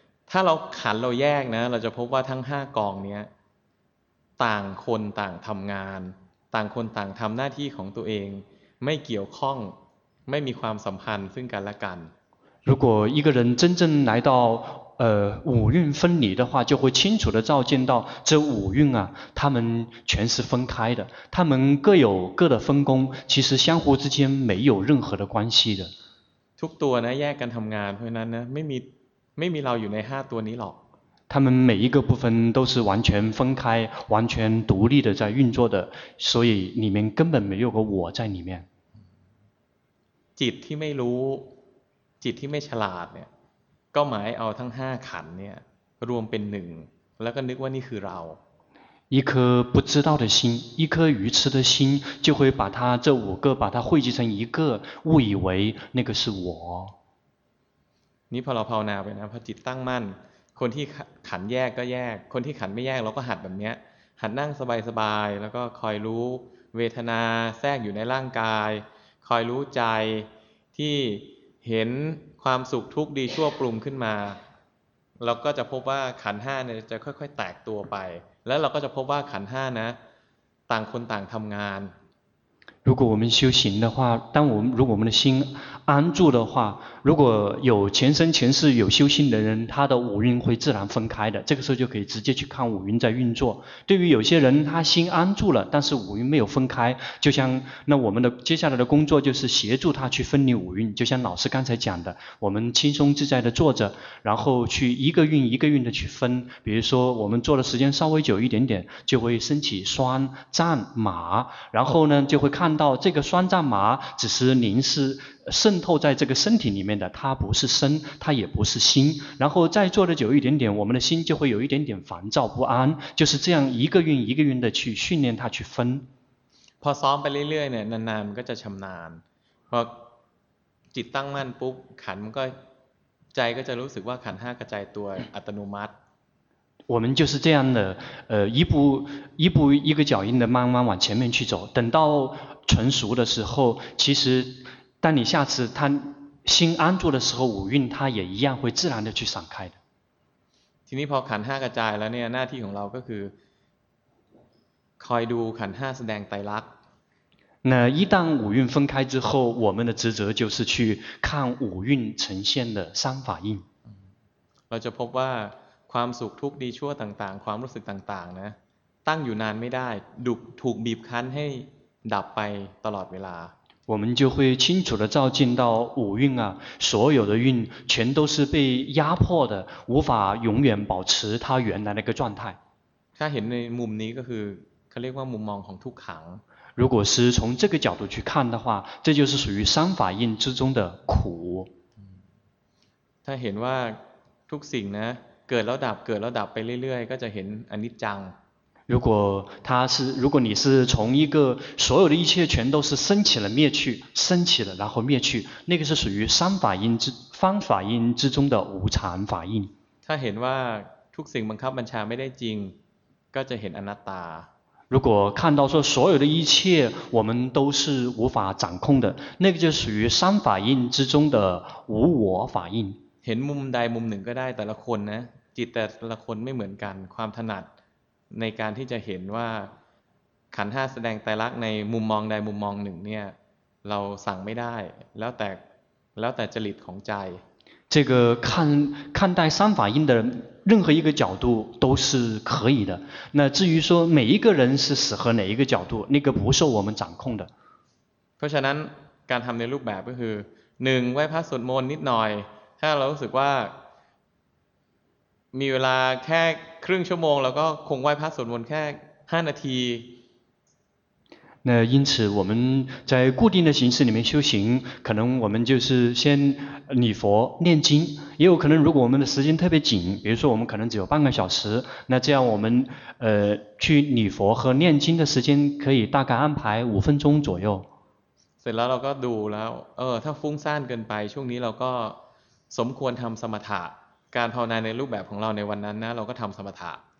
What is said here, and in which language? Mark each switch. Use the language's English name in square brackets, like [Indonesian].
[Thai] ถ้าเราขันเราแยกนะเราจะพบว่าทั้ง5กองเนี้ยต่างคนต่างทำงานต่างคนต่างทำหน้าที่ของตัวเองไม่เกี่ยวข้องไม่มีความสัมพันธ์ซึ่งกันและกัน [Chinese] 如果一个人真正来到五蕴分离的话就会清楚地照见到这五蕴啊他们全是分开的他们各有各的分工其实相互之间没有任何的关系的 [Thai] ทุกตัวนะแยกกันทำงานเพราะนั้นนะไม่มีเราอยู่ใน5ตัวนี้หรอก [Chinese] 他们每一个部分都是完全分开完全独立的在运作的所以里面根本没有个我在里面 [Thai] จิตที่ไม่รู้จิตที่ไม่ฉลาดเนี่ยก็หมายเอาทั้ง5ขันธ์เนี่ยรวมเป็นหนึ่งแล้วก็นึกว่านี่คือเรา [Chinese] 一颗不知道的心一颗愚痴的心就会把它这五个把它汇集成一个误以为那个是我 [Thai] นี่พอเราภาวนาไปนะพอจิตตั้งมั่นคนที่ขันแยกก็แยกคนที่ขันไม่แยกเราก็หัดแบบนี้หัดนั่งสบายๆแล้วก็คอยรู้เวทนาแทรกอยู่ในร่างกายคอยรู้ใจที่เห็นความสุขทุกข์ดีชั่วปรุงขึ้นมาเราก็จะพบว่าขันห้าเนี่ยจะค่อยๆแตกตัวไปแล้วเราก็จะพบว่าขันห้านะต่างคนต่างทำงาน [Chinese] 如果我们修行的话，当我们如果我们的心安住的话，如果有前生前世有修行的人，他的五蕴会自然分开的。这个时候就可以直接去看五蕴在运作。对于有些人，他心安住了，但是五蕴没有分开，就像那我们的接下来的工作就是协助他去分离五蕴。就像老师刚才讲的，我们轻松自在的坐着，然后去一个蕴一个蕴的去分。比如说我们坐的时间稍微久一点点，就会升起酸胀麻，然后呢就会看到这个酸胀麻只是临时渗透在这个身体里面的它不是身它也不是心然后再坐的久一点点我们的心就会有一点点烦躁不安就是这样一个运一个运的去训练它去分 [Thai] พอซ้อมไปเรื่อยๆเนี่ยนานๆมันก็จะชำนาญพอจิตตั้งมั่นปุ๊บขันมันก็ใจก็จะรู้สึกว่าขันห้ากระจายตัวอัตโนมัติ [Chinese] 我们就是这样的一步一步一个脚印的慢慢往前面去走等到纯熟的时候其实当你下次他心安住的时候五蕴他也一样会自然的去散开的 [Thai] ทีนี้พอขันห้ากระจายแล้วเนี่ยหน้าที่ของเราก็คือคอยดูขันห้าแสดงไตรลักษณ์ [Chinese] 那一旦五蕴分开之后我们的职责就是去看五蕴呈现的三法印 [Thai] เราจะพบว่าความสุขทุกข์ดีชั่วต่างๆความรู้สึกต่างๆนะตั้งอยู่นานไม่ได้ถูกบีบคั้นให้ดับไปตลอดเวลา [Chinese] 我们就会清楚地照见到五蕴啊所有的蕴全都是被压迫的无法永远保持它原来那个状态 [Thai] ถ้าเห็นในมุมนี้ก็คือเขาเรียกว่ามุมมองของทุกขัง [Chinese] 如果是从这个角度去看的话这就是属于三法印之中的苦 [Thai] ถ้าเห็นว่าทุกสิ่งนะ กิดแล้วดับเกิดแล้วดับไปเรื่อยๆก็จะเห็นอนิจจัง [Chinese] 如果他是如果你是从一个所有的一切全都是升起了灭去升起了然后灭去那个是属于三法印之方法印之中的无常法印他 [Thai] เห็นว่าทุกสิ่งบังคับบัญชาไม่ได้จริงก็จะเห็นอนัตตา [Chinese] 如果看到说所有的一切我们都是无法掌控的那个就属于三法印之中的无我法印 [Thai] เห็นมุมใดมุมหนึ่งก็ได้แต่ละคนนะจิตแต่ละคนไม่เหมือนกันความถนัดในการที่จะเห็นว่าขันธ์ 5แสดงไตรลักษณ์ในมุมมองใดมุมมองหนึ่งเนี่ยเราสั่งไม่ได้แล้วแต่จริตของใจ [Chinese] 这个看待三法印的任何一个角度都是可以的那至于说每一个人是适合哪一个角度那个不受我们掌控的 [Thai] เพราะฉะนั้นการทำในรูปแบบก็คือ1ไหว้พระสวดมนต์นิดหน่อยถ้าเรารู้สึกว่ามีเวลาแค่ครึ่งชั่วโมงแล้วก็คงไหว้พระสวดมนต์แค่5นาที [Chinese] 那因此我们在固定的形式里面修行可能我们就是先礼佛念经也有可能如果我们的时间特别紧比如说我们可能只有半个小时那这样我们去礼佛和念经的时间可以大概安排五分钟左右 [Thai] เสร็จแล้วเราก็ดูแล้วถ้าฟุ้งซ่านเกินไปช่วงนี้เราก็สมควรทำสมถะการภาวนาในรูปแบบของเราในวันนั้นนะเราก็ทำสมถะ